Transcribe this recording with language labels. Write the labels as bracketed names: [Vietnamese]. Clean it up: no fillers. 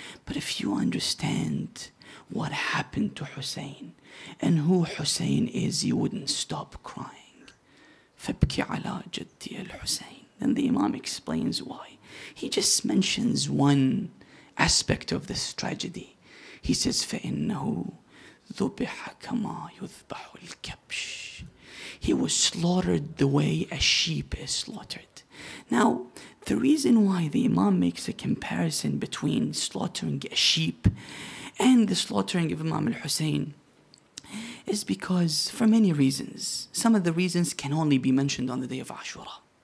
[English] But if you understand what happened to Hussein and who Hussein is, you wouldn't stop crying. [Arabic] Fabki ala jaddi al-Hussein. [English] Then the Imam explains why. He just mentions one aspect of this tragedy. He says, [Arabic] فَإِنَّهُ ذُبِحَ كَمَا يُذْبَحُ الْكَبْشِ. [English] He was slaughtered the way a sheep is slaughtered. Now, the reason why the Imam makes a comparison between slaughtering a sheep and the slaughtering of Imam al-Hussein is because, for many reasons, some of the reasons can only be mentioned on the day of Ashura.